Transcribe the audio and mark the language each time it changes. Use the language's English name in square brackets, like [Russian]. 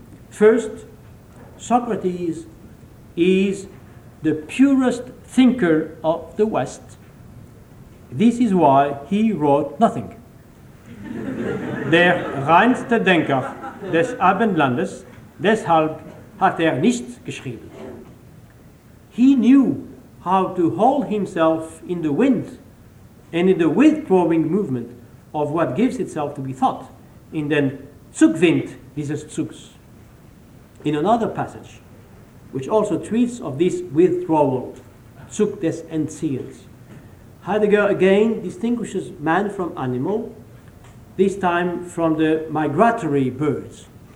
[English] First, Socrates is the purest thinker of the West. This is why he wrote nothing. [German] Der reinste Denker des Abendlandes, deshalb hat nichts geschrieben. [English] He knew how to hold himself in the wind and in the withdrawing movement of what gives itself to be thought, [German] in den Zugwind dieses Zugs. [English] In another passage, which also treats of this withdrawal, [German] Zug des Entziehens, [English] Heidegger again distinguishes man from animal, this time from the migratory birds.